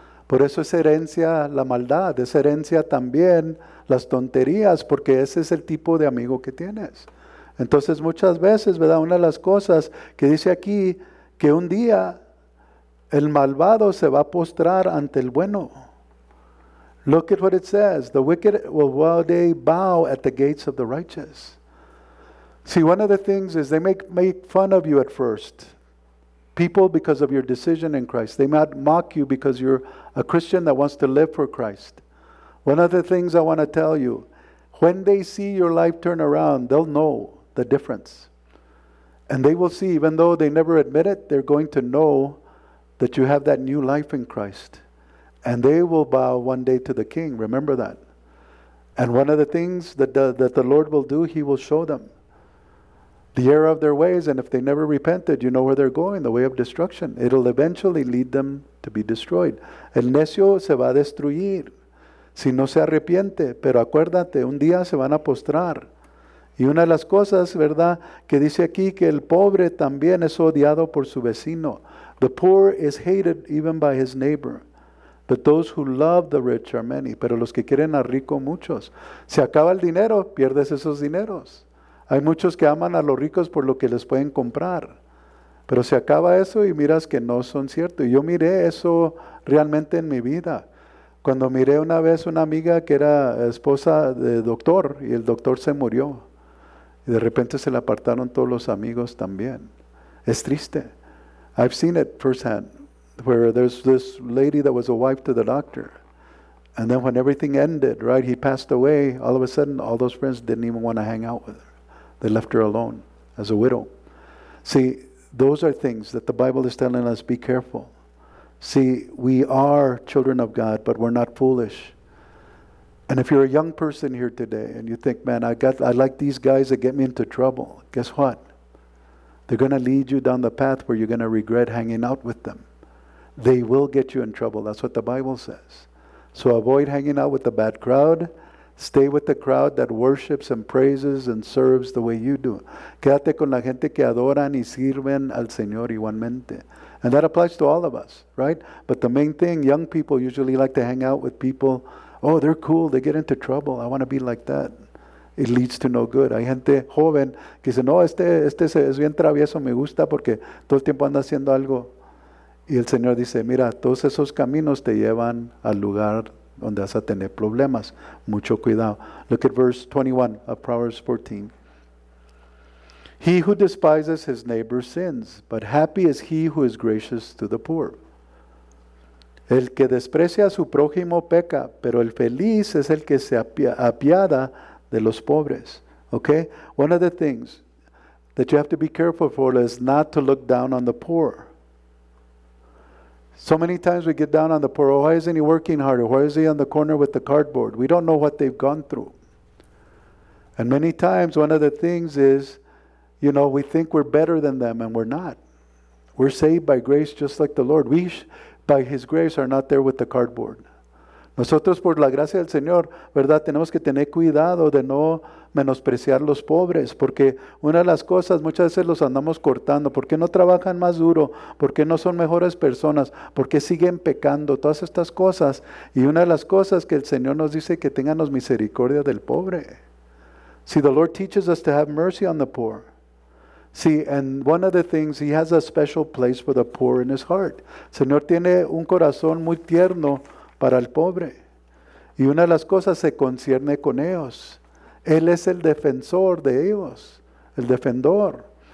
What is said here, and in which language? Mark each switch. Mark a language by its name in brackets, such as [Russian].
[Spanish] Por eso es herencia la maldad, es herencia también las tonterías, porque ese es el tipo de amigo que tienes. Entonces muchas veces, ¿verdad? Una de las cosas que dice aquí, que un día el malvado se va a postrar ante el bueno. [English] Look at what it says. The wicked will one day bow at the gates of the righteous. See, one of the things is they make fun of you at first. People, because of your decision in Christ, they might mock you because you're a Christian that wants to live for Christ. One of the things I want to tell you, when they see your life turn around, they'll know the difference. And they will see, even though they never admit it, they're going to know that you have that new life in Christ. And they will bow one day to the King. Remember that. And one of the things that the Lord will do, he will show them the error of their ways. And if they never repented, you know where they're going, the way of destruction. It'll eventually lead them to be destroyed. [Spanish] El necio se va a destruir si no se arrepiente. Pero acuérdate, un día se van a postrar. Y una de las cosas, ¿verdad?, que dice aquí, que el pobre también es odiado por su vecino. [English] The poor is hated even by his neighbor. But those who love the rich are many. [Spanish] Pero los que quieren a rico, muchos. Se acaba el dinero, pierdes esos dineros. Hay muchos que aman a los ricos por lo que les pueden comprar. Pero se acaba eso y miras que no son ciertos. Y yo miré eso realmente en mi vida. Cuando miré una vez una amiga que era esposa de doctor, y el doctor se murió. Y de repente se le apartaron todos los amigos también. Es triste. [English] I've seen it firsthand, where there's this lady that was a wife to the doctor. And then when everything ended, right, he passed away, all of a sudden, all those friends didn't even want to hang out with her. They left her alone as a widow. See, those are things that the Bible is telling us, be careful. See, we are children of God, but we're not foolish. And if you're a young person here today and you think, man, I like these guys that get me into trouble, guess what? They're going to lead you down the path where you're going to regret hanging out with them. They will get you in trouble. That's what the Bible says. So avoid hanging out with the bad crowd. Stay with the crowd that worships and praises and serves the way you do. [Spanish] Quédate con la gente que adoran y sirven al Señor igualmente. [English] And that applies to all of us, right? But the main thing, young people usually like to hang out with people. Oh, they're cool. They get into trouble. I want to be like that. It leads to no good. [Spanish] Hay gente joven que dice, no, este es bien travieso, me gusta porque todo el tiempo anda haciendo algo. Y el Señor dice, mira, todos esos caminos te llevan al lugar donde vas a tener problemas. Mucho cuidado. [English] Look at verse 21 of Proverbs 14. He who despises his neighbor sins, but happy is he who is gracious to the poor. [Spanish] El que desprecia a su prójimo peca, pero el feliz es el que se apiada de los pobres. [English] Okay? One of the things that you have to be careful for is not to look down on the poor. So many times we get down on the poor. Oh, why isn't he working harder? Why is he on the corner with the cardboard? We don't know what they've gone through. And many times one of the things is, you know, we think we're better than them and we're not. We're saved by grace just like the Lord. We, by his grace, are not there with the cardboard. [Spanish] Nosotros, por la gracia del Señor, ¿verdad?, tenemos que tener cuidado de no menospreciar los pobres, porque una de las cosas, muchas veces los andamos cortando. ¿Por qué no trabajan más duro? ¿Por qué no son mejores personas? ¿Por qué siguen pecando? Todas estas cosas. Y una de las cosas que el Señor nos dice, que tenganos misericordia del pobre. [English] See, the Lord teaches us to have mercy on the poor. See, and one of the things, he has a special place for the poor in his heart. [Spanish] Señor tiene un corazón muy tierno para el pobre. Y una de las cosas se concierne con ellos. Él es el defensor de ellos, el defensor.